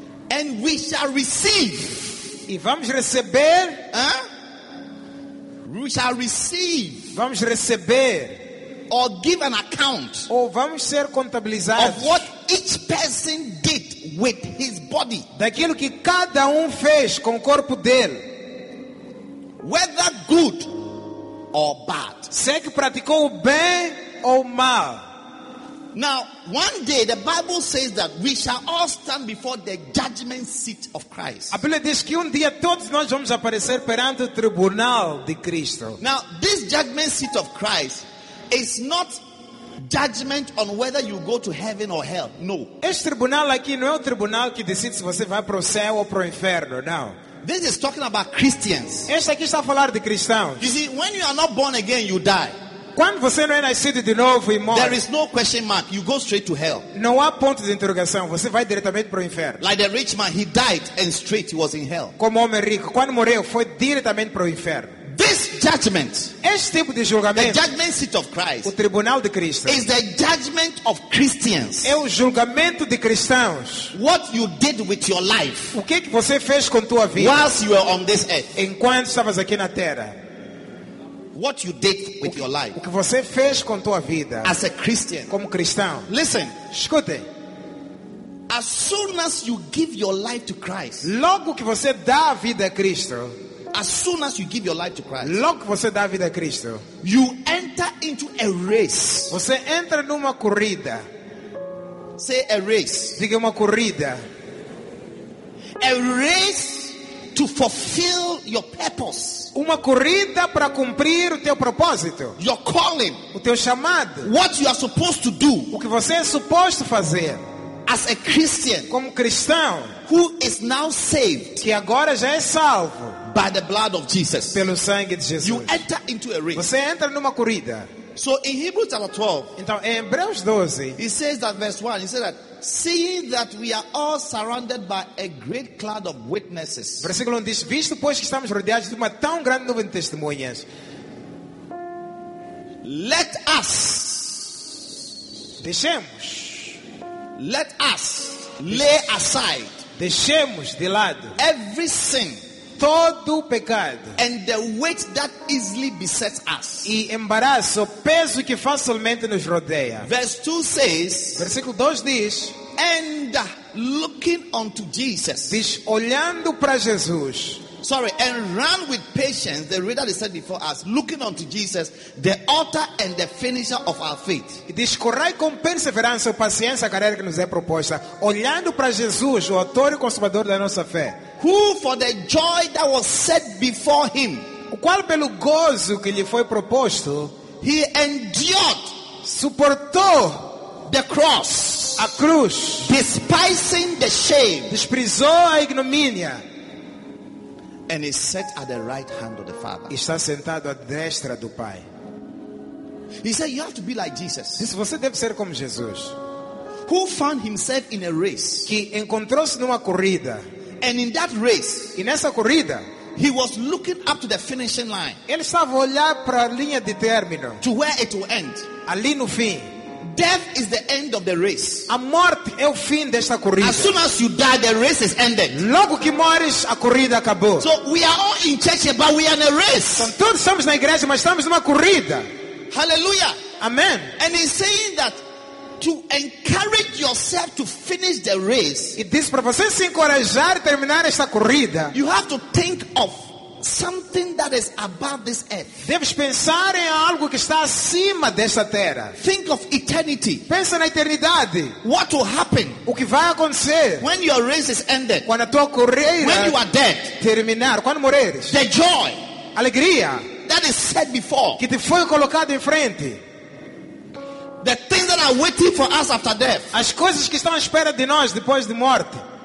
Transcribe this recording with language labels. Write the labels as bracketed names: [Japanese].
[English] And we shall receive. [Portuguese] E vamos receber. [English] Huh? We shall receive. [Portuguese] Vamos receber. [English] Or give an account. [Portuguese] Ou vamos ser contabilizados. [English] Of what each person did with his body. [Portuguese] Daquilo que cada fez com o corpo dele. [English] Whether good or bad. [Portuguese] Se é que praticou o bem ou o mal. [English] Now, one day the Bible says that we shall all stand before the judgment seat of Christ. [Portuguese] A Bíblia diz que dia todos nós vamos aparecer perante o tribunal de Cristo. [English] Now, this judgment seat of Christ is not judgment on whether you go to heaven or hell. No. [Portuguese] Este tribunal aqui não é o tribunal que decide se você vai para o céu ou para o inferno. Não. [English] This is talking about Christians. [Portuguese] Este aqui está a falar de cristãos. [English] You see, when you are not born again, you die. [Portuguese] Quando você não é nascido de novo e morre. [English] There is no question mark. You go straight to hell. [Portuguese] Não há ponto de interrogação. Você vai diretamente para o inferno. [English] Like the rich man, he died and straight he was in hell. [Portuguese] Como homem rico, quando morreu, foi diretamente para o inferno. [English] This judgment, [Portuguese] este tipo de julgamento, [English] the judgment seat of Christ, [Portuguese] o tribunal de Cristo, [English] is the judgment of Christians. [Portuguese] É o julgamento de cristãos. [English] What you did with your life, [Portuguese] o que você fez com tua vida, [English] whilst you were on this earth, [Portuguese] enquanto estavas aqui na terra. [English] What you did with your life, [Portuguese] o que você fez com tua vida, [English] as a Christian, [Portuguese] como cristão. [English] Listen, [Portuguese] escute. [English] As soon as you give your life to Christ, [Portuguese] logo que você dá a vida a Cristo. [English] As soon as you give your life to Christ, [Portuguese] logo você dá a vida a Cristo, [English] you enter into a race. [Portuguese] Você entra numa corrida. [English] Say a race. [Portuguese] Diga uma corrida. [English] A race to fulfill your purpose. [Portuguese] Uma corrida para cumprir o teu propósito. [English] Your calling. [Portuguese] O teu chamado. [English] What you are supposed to do. [Portuguese] O que você é suposto fazer. [English] As a Christian. [Portuguese] Como cristão. [English] Who is now saved. [Portuguese] Que agora já é salvo. [English] By the blood of Jesus. [Portuguese] Pelo sangue de Jesus. [English] You enter into a race. [Portuguese] Você entra numa corrida. [English] So in Hebrews chapter 12. [Portuguese] Então em Hebreus 12. [English] He says that verse 1. He says that seeing that we are all surrounded by a great cloud of witnesses. [Portuguese] Versículo 1 diz, visto pois que estamos rodeados de uma tão grande nuvem de testemunhas. [English] Let us. [Portuguese] Deixemos. [English] Let us lay aside. [Portuguese] Deixemos de lado. [English] Every sin. [Portuguese] Todo pecado. [English] And the weight that easily besets us. [Portuguese] E embaraço, peso que facilmente nos rodeia. [English] Verse 2 says. [Portuguese] Versículo 2 diz. [English] And looking unto Jesus. [Portuguese] Diz, olhando para Jesus. [English] Sorry, and run with patience the reader that is set before us, looking unto Jesus, the author and the finisher of our faith. [Portuguese] Diz, correi com perseverança e paciência a carreira que nos é proposta, olhando para Jesus, o autor e consumador da nossa fé. [English] Who for the joy that was set before him, [Portuguese] o qual pelo gozo que lhe foi proposto, [English] he endured, [Portuguese] suportou [English] the cross, [Portuguese] a cruz, [English] despising the shame, [Portuguese] desprezou a ignomínia, [English] and is set at the right hand of the Father. [Portuguese] Está sentado à destra do Pai. [English] He said, you have to be like Jesus. [Portuguese] Diz, você deve ser como Jesus. [English] Who found himself in a race, [Portuguese] que encontrou-se numa corrida. [English] And in that race, [Portuguese] e nessa corrida, [English] he was looking up to the finishing line. [Portuguese] Ele estava a olhar para a linha de término. [English] To where it will end. [Portuguese] Ali no fim. [English] Death is the end of the race. [Portuguese] A morte é o fim desta corrida. [English] As soon as you die, the race is ended. [Portuguese] Logo que morres, a corrida acabou. [English] So we are all in church, but we are in a race. [Portuguese] Então, todos estamos na igreja, mas estamos numa corrida. [English] Hallelujah. [Portuguese] Amen. [English] And he's saying that to encourage yourself to finish the race. [Portuguese] E diz para você se encorajar e terminar esta corrida. [English] You have to think of something that is above this earth. [Portuguese] Deves pensar em algo que está acima desta terra. [English] Think of eternity. [Portuguese] Pensa na eternidade. [English] What will happen? [Portuguese] O que vai acontecer? [English] When your race is ended. [Portuguese] Quando a tua corrida. [English] When you are dead. [Portuguese] Terminar. Quando morreres. [English] The joy. [Portuguese] Alegria. [English] That is said before. [Portuguese] Que te foi colocado em frente. [English] The things that are waiting for us after death. [Portuguese] As coisas que estão à espera de nós depois de morte.